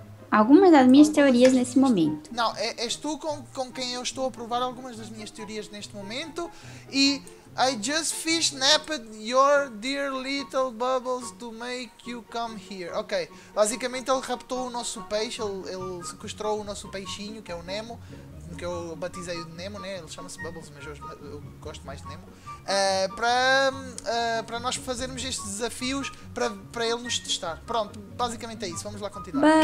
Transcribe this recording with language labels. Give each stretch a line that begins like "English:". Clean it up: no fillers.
Portuguese: Algumas das minhas teorias nesse momento. Não, és tu com quem eu estou a provar algumas das minhas teorias neste momento.
English: E I just fish napped your dear little bubbles to make you come here.
Portuguese: Ok, basicamente ele raptou o nosso peixe, ele sequestrou o nosso peixinho, que é o Nemo, que eu batizei de Nemo, né? Ele chama-se Bubbles, mas eu gosto mais de Nemo, para nós fazermos estes desafios, para ele nos testar. Pronto, basicamente é isso, vamos lá continuar.